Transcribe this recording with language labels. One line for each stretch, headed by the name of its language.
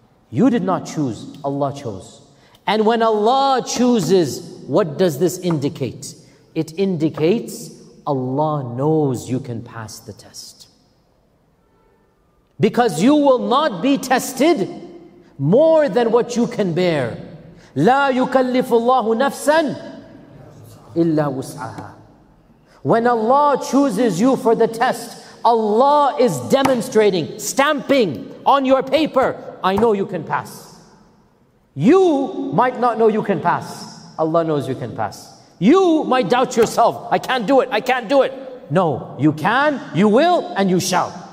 English: You did not choose, Allah chose. And when Allah chooses, what does this indicate? It indicates Allah knows you can pass the test. Because you will not be tested more than what you can bear.
Arabic: لا يكلف الله نفسا إلا وسعها.
English: When Allah chooses you for the test, Allah is demonstrating, stamping on your paper, I know you can pass. You might not know you can pass. Allah knows you can pass. You might doubt yourself. I can't do it. I can't do it. No, you can, you will, and you shall.